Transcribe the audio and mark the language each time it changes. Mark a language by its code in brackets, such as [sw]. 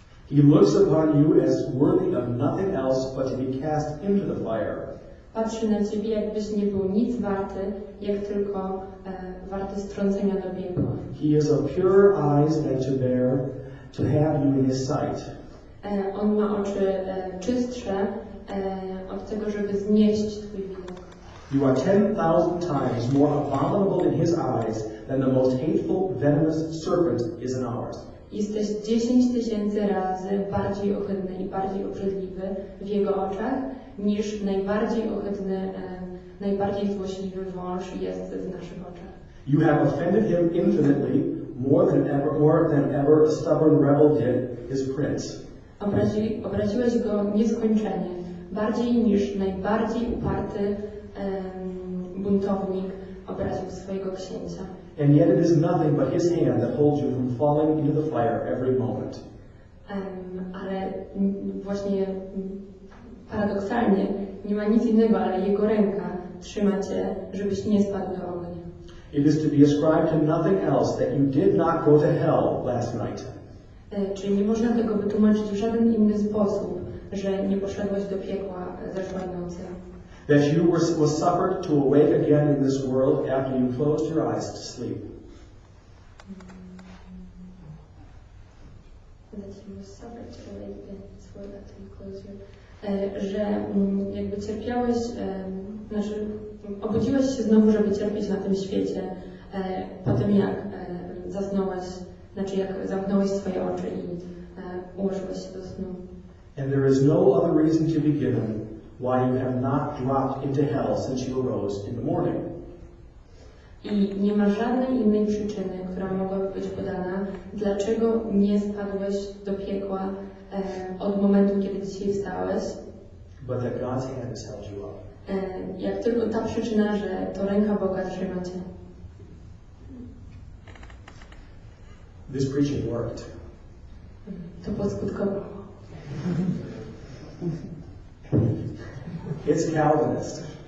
[en] He looks upon you as worthy of nothing else but to be cast into the fire. [pl] Patrzy na ciebie, jakbyś nie był nic warty, jak tylko warty strącenia do piekła. [en] He is of pure eyes and to bear to have you in his sight. [pl] On ma oczy czystsze od tego, żeby znieść twój widok. [en] You are 10,000 times more abominable in his eyes than the most hateful, venomous serpent is in ours. [pl] Jesteś 10,000 razy bardziej ohydny i bardziej obrzydliwy w jego oczach niż najbardziej ohydny, najbardziej złośliwy wąż jest w naszych oczach. [en] You have offended him infinitely more than ever a stubborn rebel did his prince. [pl] Obraziłeś go nieskończenie, bardziej niż najbardziej uparty buntownik obraził swojego księcia. [en] And yet it is nothing but his hand that holds you from falling into the fire every moment. [pl] Ale właśnie paradoksalnie nie ma nic innego, ale jego ręka trzyma cię, żebyś nie spadł do ognia. [en] It is to be ascribed to nothing else that you did not go to hell last night. [pl] Czyli nie można tego wytłumaczyć w żaden inny sposób, że nie poszedłeś do piekła zeszłej nocy. [en] That you were suffered to awake again in this world after you closed your eyes to sleep. That you were suffered to awake again in this world after you closed your eyes. [pl] Że jakby cierpiałeś, znaczy obudziłeś się znowu, żeby cierpieć na tym świecie, po tym jak zasnąłeś, znaczy jak zamknąłeś swoje oczy i ułożyłeś się do snu. [en] And there is no other reason to be given why you have not dropped into hell since you arose in the morning. [pl] I nie ma żadnej innej przyczyny, która mogłaby być podana, dlaczego nie spadłeś do piekła od momentu, kiedy dzisiaj wstałeś. [en] But that God's hand has held you up. [pl] Jak tylko ta przyczyna, że to ręka Boga trzyma cię. [en] This preaching worked. [pl] To poskutkowało. [en] It's Calvinist.